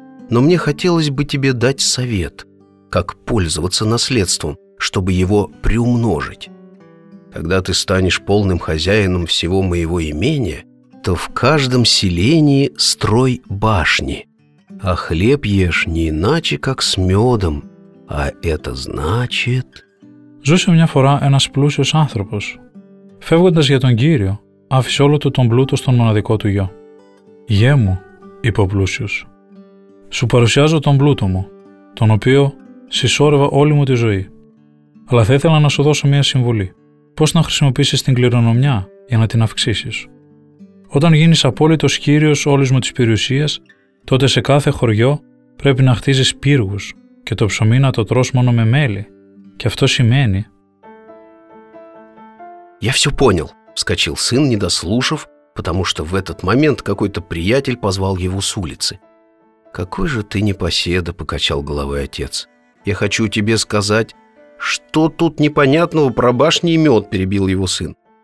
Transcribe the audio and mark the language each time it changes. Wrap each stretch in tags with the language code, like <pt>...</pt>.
<ru>Но мне хотелось бы тебе дать совет, как пользоваться наследством, чтобы его приумножить. Когда ты станешь полным хозяином всего моего имения, то в каждом селении строй башни, а хлеб ешь не иначе, как с медом, а это значит...»</ru> <el>Ζούσε μια φορά ένας πλούσιος άνθρωπος. Φεύγοντας για τον Κύριο, άφησε όλο του τον πλούτο στον μοναδικό του γιο. «Γιέ μου», είπε ο πλούσιος, «σου παρουσιάζω τον πλούτο μου, τον οποίο συσσόρευα όλη μου τη ζωή. Αλλά θα ήθελα να σου δώσω μια συμβουλή. Πώς να χρησιμοποιήσεις την κληρονομιά για να την αυξήσεις? Όταν γίνεις απόλυτος κύριος όλης μου της περιουσίας, τότε σε κάθε χωριό πρέπει να χτίζεις πύργους και το ψωμί να το τρως μόνο με μέλι. Και αυτό σημαίνει...»</el> <ru>«Я все понял», вскочил сын, не дослушав, потому что в этот момент какой-то приятель позвал его с улицы. «Какой же ты непоседа», покачал головой отец. «Я хочу тебе сказать, что тут непонятного про башни и мед», — перебил его сын.</ru>